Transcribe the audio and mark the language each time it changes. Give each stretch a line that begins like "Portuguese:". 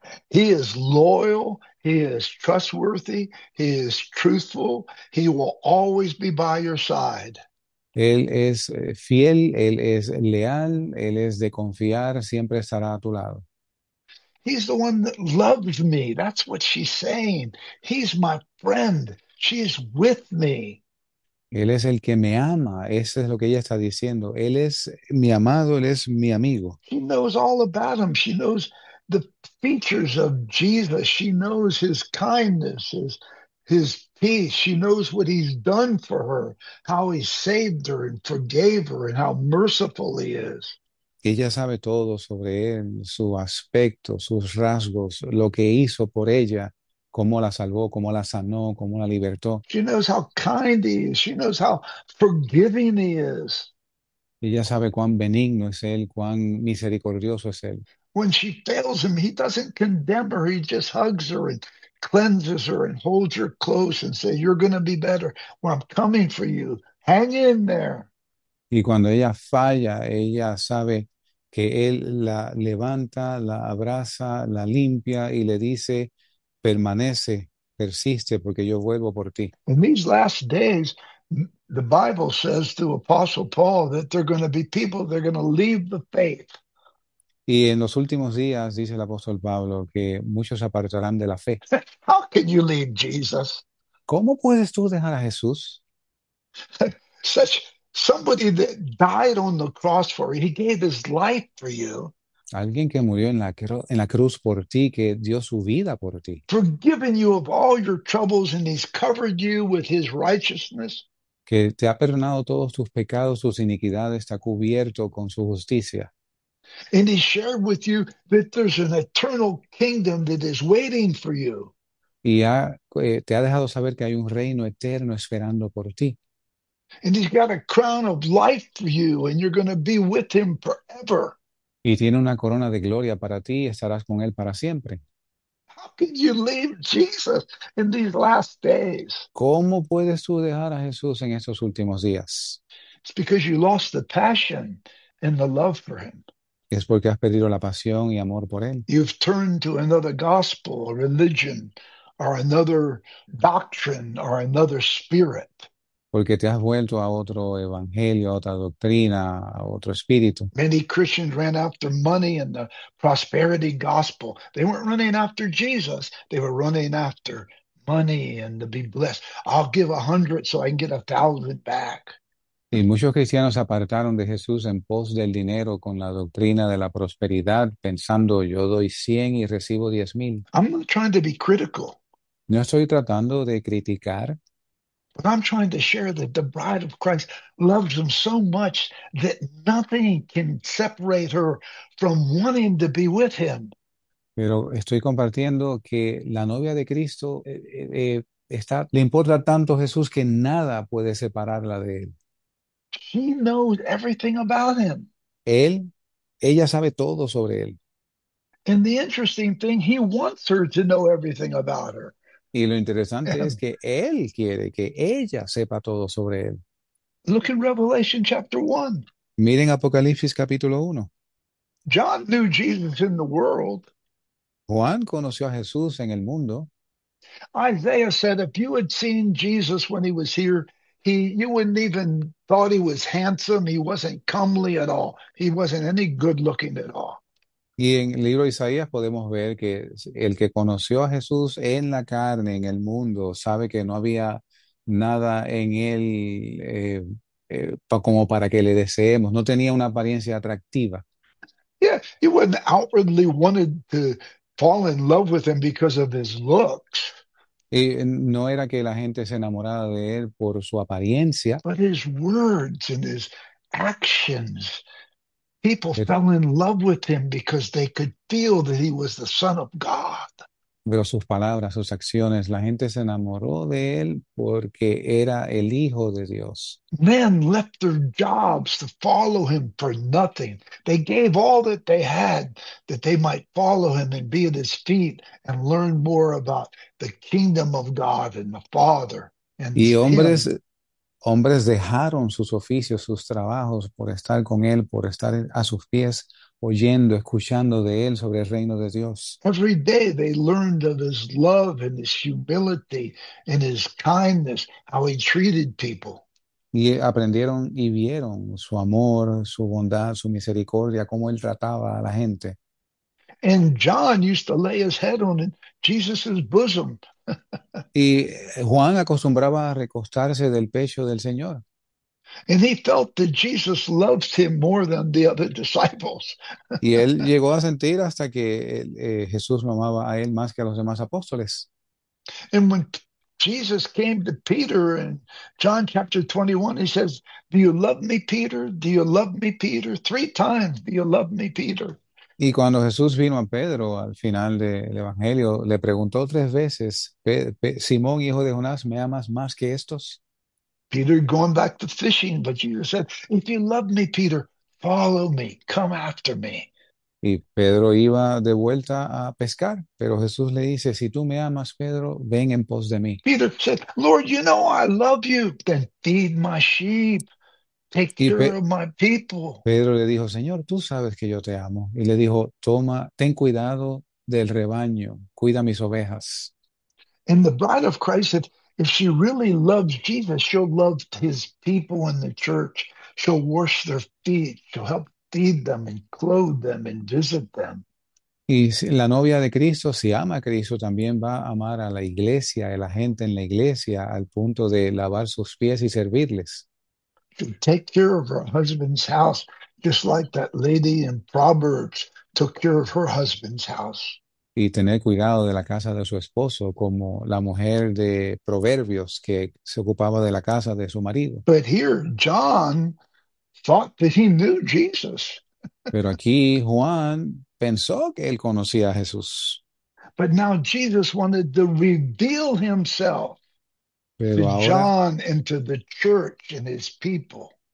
English: He is loyal, he is trustworthy, he is truthful, he will always be by your side.
Spanish: Él es fiel, él es leal, él es de confiar, siempre estará a tu lado.
English: He's the one that loves me. That's what she's saying. He's my friend. She is with me.
Spanish: Él es el que me ama, eso es lo que ella está diciendo. Él es mi amado, él es mi amigo.
English: She knows all about him. She knows the features of Jesus. She knows his kindness, his peace. She knows what he's done for her, how he saved her and forgave her, and how merciful he is.
Spanish: Ella sabe todo sobre él, su aspecto, sus rasgos, lo que hizo por ella, cómo la salvó, cómo la sanó, cómo la libertó.
English: She knows how kind he is. She knows how forgiving he is.
Spanish: Ella sabe cuán benigno es él, cuán misericordioso es él.
English: When she fails him, he doesn't condemn her. He just hugs her and cleanses her and holds her close and says, "You're going to be better. Well, I'm coming for you. Hang in there."
Spanish: Y cuando ella falla, ella sabe que él la levanta, la abraza, la limpia y le dice, permanece, persiste, porque yo vuelvo por ti.
English: In these last days, the Bible says through Apostle Paul that there are going to be people that are going to leave the faith.
Spanish: Y en los últimos días, dice el apóstol Pablo, que muchos se apartarán de la fe.
English: How can you leave Jesus?
Spanish: ¿Cómo puedes tú dejar a Jesús?
English: Such Somebody that died on the cross for you. He gave his life for you.
Spanish: Alguien que murió en la cruz por ti, que dio su vida por ti.
English: Forgiven you of all your troubles and he's covered you with his righteousness.
Spanish: Que te ha perdonado todos tus pecados, tus iniquidades, te ha cubierto con su justicia.
English: And he shared with you that there's an eternal kingdom that is waiting for you.
Spanish: Y te ha dejado saber que hay un reino eterno esperando por ti.
English: And he's got a crown of life for you, and you're going to be with him forever.
Spanish: Y tiene una corona de gloria para ti y estarás con él para siempre.
English: How can you leave Jesus in these last days?
Spanish: ¿Cómo puedes tú dejar a Jesús en estos últimos días?
English: It's because you lost the passion and the love for him.
Spanish: Es porque has perdido la pasión y amor por él.
English: You've turned to another gospel, a religion, or another doctrine, or another spirit.
Spanish: Porque te has vuelto a otro evangelio, a otra doctrina, a otro espíritu.
English: Many Christians ran after money and the prosperity gospel. They weren't running after Jesus. They were running after money and to be blessed. I'll give 100 so I can get 1,000 back.
Spanish: Y muchos cristianos apartaron de Jesús en pos del dinero con la doctrina de la prosperidad, pensando yo doy 100 y recibo 10.000.
English: I'm not trying to be critical,
Spanish: No estoy tratando de criticar.
English: but I'm trying to share that the bride of Christ loves him so much that nothing can separate her from wanting to be with him.
Spanish: Pero estoy compartiendo que la novia de Cristo le importa tanto Jesús que nada puede separarla de él.
English: She knows everything about him.
Spanish: Ella sabe todo sobre él.
English: And the interesting thing, he wants her to know everything about her.
Spanish: Y lo interesante es
English: And
Spanish: que él quiere que ella sepa todo sobre él.
English: look in Revelation chapter 1.
Spanish: Miren Apocalipsis capítulo 1.
English: John knew Jesus in the world.
Spanish: Juan conoció a Jesús en el mundo.
English: Isaiah said, if you had seen Jesus when he was here, you wouldn't even thought he was handsome. He wasn't comely at all. He wasn't any good looking at all.
Spanish: Y en el libro de Isaías podemos ver que el que conoció a Jesús en la carne, en el mundo, sabe que no había nada en él como para que le deseemos. No tenía una apariencia atractiva.
English: He wouldn't outwardly wanted to fall in love with him because of his looks,
Spanish: Y no era que la gente se enamorara de él por su apariencia.
English: but his words and his actions, people fell in love with him because they could feel that he was the Son of God.
Spanish: Pero sus palabras, sus acciones, la gente se enamoró de él porque era el hijo de Dios.
English: Men left their jobs to follow him for nothing. They gave all that they had that they might follow him and be at his feet and learn more about the kingdom of God and the Father and
Spanish: Y
English: him.
Spanish: hombres dejaron sus oficios, sus trabajos por estar con él, por estar a sus pies, oyendo, escuchando de él sobre el reino de Dios.
English: Every day they learned of his love and his humility and his kindness, how he treated people.
Spanish: Y aprendieron y vieron su amor, su bondad, su misericordia, cómo él trataba a la gente.
English: And John used to lay his head on Jesus's bosom.
Spanish: Y Juan acostumbraba a recostarse del pecho del Señor.
English: And he felt that Jesus loved him more than the other disciples.
Spanish: Y él llegó a sentir hasta que Jesús lo amaba a él más que a los demás apóstoles.
English: And when Jesus came to Peter in John chapter 21, he says, "Do you love me, Peter? Do you love me, Peter? Three times, do you love me, Peter?"
Spanish: Y cuando Jesús vino a Pedro al final del Evangelio, le preguntó tres veces, Simón, hijo de Jonás, ¿me amas más que estos?
English: Peter going back to fishing, but Jesus said, if you love me, Peter, follow me, come after me.
Spanish: Y Pedro iba de vuelta a pescar, pero Jesús le dice, si tú me amas, Pedro, ven en pos de mí.
English: Peter said, Lord, you know I love you. Then feed my sheep, take
Spanish: Y
English: care of my people.
Spanish: Pedro le dijo, Señor, tú sabes que yo te amo. Y le dijo, toma, ten cuidado del rebaño, cuida mis ovejas.
English: And the bride of Christ said, if she really loves Jesus, she'll love his people in the church. She'll wash their feet. She'll help feed them and clothe them and visit them.
Spanish: Y la novia de Cristo, si ama a Cristo, también va a amar a la iglesia, a la gente en la iglesia, al punto de lavar sus pies y servirles.
English: to take care of her husband's house, just like that lady in Proverbs took care of her husband's house.
Spanish: Y tener cuidado de la casa de su esposo, como la mujer de Proverbios que se ocupaba de la casa de su marido.
English: But here, John thought that he knew Jesus.
Spanish: Pero aquí Juan pensó que él conocía a Jesús.
English: But now Jesus wanted to reveal himself to
Spanish: Pero ahora
English: John and to the church and his people.